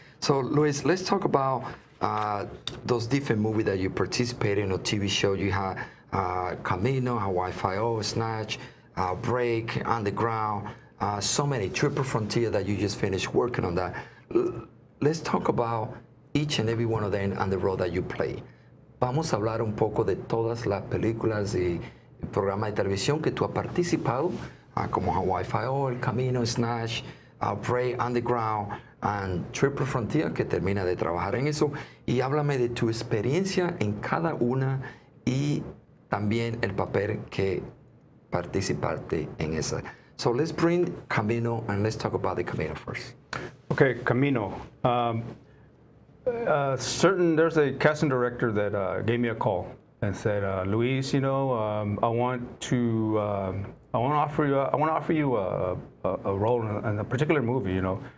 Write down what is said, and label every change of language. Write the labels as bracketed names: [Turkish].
[English] So, Luis, let's talk about those different movies that you participate in or TV show. You have Camino, Hawaii Five-0, Snatch, Break, Underground, so many, Triple Frontier that you just finished working on that. Let's talk about each and every one of them and the role that you play. [Spanish] Vamos a hablar un poco de todas las películas y programas de televisión que tú has participado, como Hawaii Five-0, El Camino, Snatch, Prey, Underground, and Triple Frontier, que termina de trabajar en eso. Y háblame de tu experiencia en cada una y también el papel que participaste en esa. [English] So let's bring Camino and let's talk about the Camino first. Okay, Camino. There's a casting director that gave me a call and said, "Luis, you know, I want to offer you a role in a particular movie, you know."